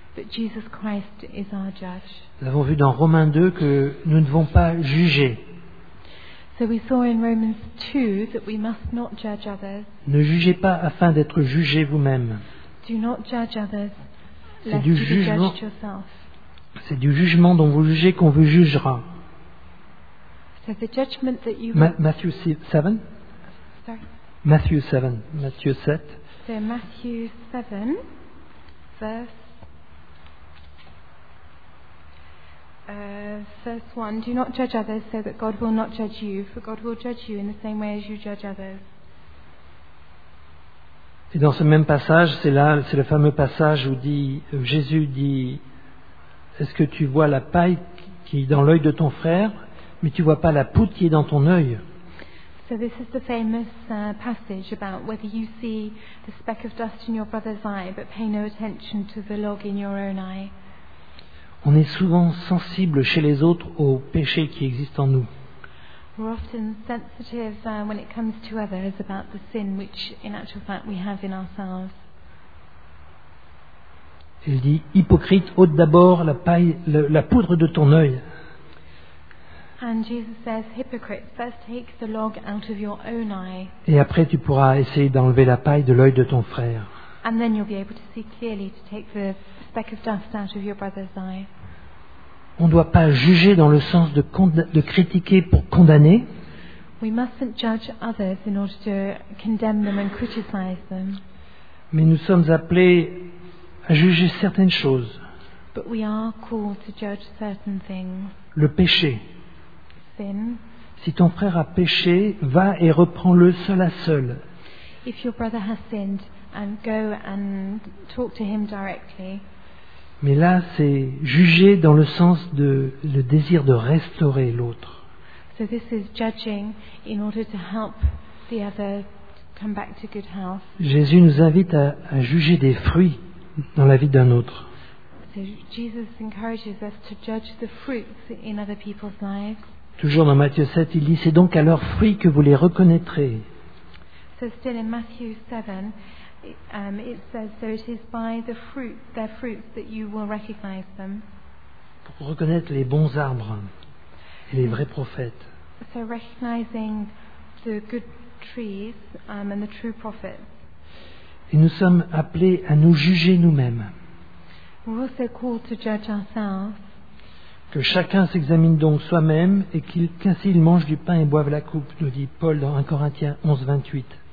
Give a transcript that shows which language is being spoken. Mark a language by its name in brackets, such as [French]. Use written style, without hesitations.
[English] But Jesus Christ is our judge. [French] Nous avons vu dans Romains 2 que nous ne devons pas juger. [English] So we saw in Romans 2 that we must not judge others. [French] Ne jugez pas afin d'être jugé vous-même. [English] Do not judge others, lest you be judged yourself. [French] C'est du jugement dont vous jugez qu'on vous jugera. [English] So the judgment that you Matthew 7. Sorry. Matthew 7. Matthew 7. So Matthew 7, verse First one, do not judge others so that God will not judge you, for God will judge you in the same way as you judge others. [French] Et dans ce même passage, c'est là, c'est le fameux passage où dit, Jésus dit, est-ce que tu vois la paille qui est dans l'œil de ton frère, mais tu ne vois pas la poutre qui est dans ton œil? [English] So this is the famous passage about whether you see the speck of dust in your brother's eye, but pay no attention to the log in your own eye. [French] On est souvent sensible chez les autres au péché qui existe en nous. [English] We're often sensitive when it comes to others about the sin which, in actual fact, we have in ourselves. [French] Il dit, hypocrite, ôte d'abord la paille, la poudre de ton œil. [English] And Jesus says, hypocrite, first take the log out of your own eye. [French] Et après, tu pourras essayer d'enlever la paille de l'œil de ton frère. [English] And then you'll be able to see clearly to take the speck of dust out of your brother's eye. [French] On ne doit pas juger dans le sens de critiquer pour condamner. [English] We mustn't judge others in order to condemn them and criticize them. [French] Mais nous sommes appelés à juger certaines choses. [English] But we are called to judge certain things. [French] Le péché. [English] Sin. [French] Si ton frère a péché, va et reprends-le seul à seul. [English] If your brother has sinned, and go and talk to him directly. [French] Mais là, c'est juger dans le sens de le désir de restaurer l'autre. [English] So this is judging in order to help the other come back to good health. [French] Jésus nous invite à juger des fruits dans la vie d'un autre. [English] So Jesus encourages us to judge the fruits in other people's lives. [French] Toujours dans Matthieu 7, il dit, c'est donc à leurs fruits que vous les reconnaîtrez. [English] So still in Matthew 7, it says, so it is by the fruit, their fruits, that you will recognize them. [French] Pour reconnaître les bons arbres et les vrais prophètes. [English] So recognizing the good trees and the true prophets. [French] Et nous sommes appelés à nous juger nous-mêmes. [English] We're also called to judge ourselves. [French] Que chacun s'examine donc soi-même et qu'ainsi il mange du pain et boive la coupe, nous dit Paul dans 1 Corinthiens 11, 28.